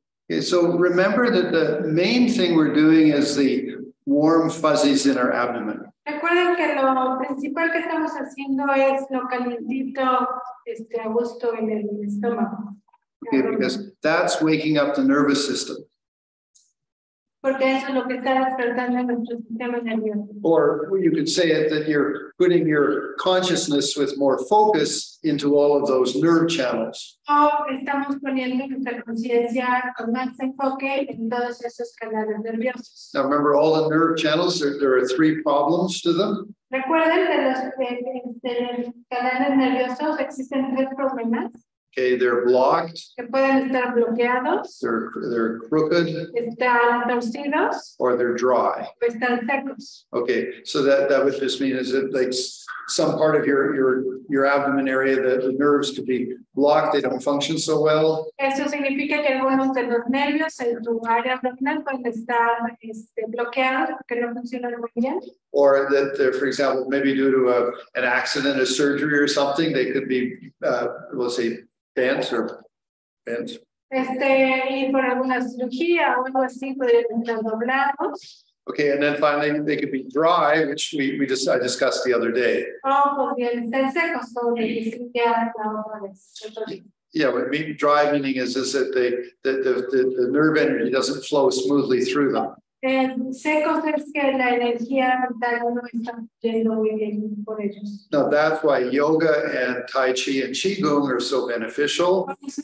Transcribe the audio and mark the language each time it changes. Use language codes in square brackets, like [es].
[en] Okay, so remember that the main thing we're doing is the warm fuzzies in our abdomen. [es] Recuerden que lo principal que estamos haciendo es lo calientito, a gusto en el estómago. [en] Okay, because that's waking up the nervous system. [es] Porque eso es lo que está despertando nuestro sistema nervioso. [en] Or you could say it that you're putting your consciousness with more focus into all of those nerve channels. [es] O estamos poniendo nuestra conciencia con más enfoque en todos esos canales nerviosos. [en] Now remember all the nerve channels, there are three problems to them. [es] Recuerden que los canales nerviosos existen tres problemas. [en] Okay, they're blocked. [es] Que pueden estar bloqueados. [en] They're crooked. [es] Están torcidos. [en] Or they're dry. [es] O están secos. [en] Okay, so that would just mean is it like some part of your abdomen area that the nerves could be blocked, they don't function so well. [es] Eso significa que algunos de los nervios en tu área abdominal pueden estar bloqueados, que no funcionan muy bien. [en] Or that, for example, maybe due to an accident, a surgery or something, they could be, we'll say, bent. [es] Y por alguna cirugía o algo así, podrían estar doblados. [en] Okay, and then finally, they could be dry, which I discussed the other day. [es] Oh, podrían estar secos, como dijiste ya la otra vez. [en] Yeah, but dry meaning is that the nerve energy doesn't flow smoothly through them. [es] Secos es que la energía mental no está yendo muy bien por ellos. [en] Now that's why yoga and tai chi and qigong are so beneficial.